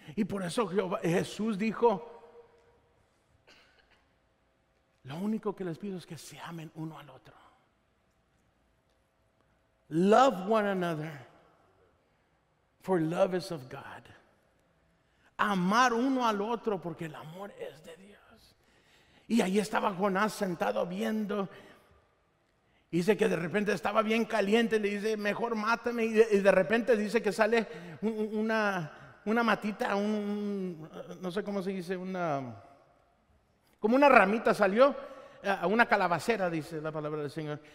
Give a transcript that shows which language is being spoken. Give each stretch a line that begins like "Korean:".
Spanish: Y por eso Jesús dijo: lo único que les pido es que se amen uno al otro.
English: Love one another, for love is of God.
Spanish: Amar uno al otro porque el amor es de Dios. Y ahí estaba Jonás sentado viendo. Dice que de repente estaba bien caliente, le dice: mejor mátame. Y de repente dice que sale una matita, no sé cómo se dice, como una ramita salió, una calabacera, dice la palabra del Señor.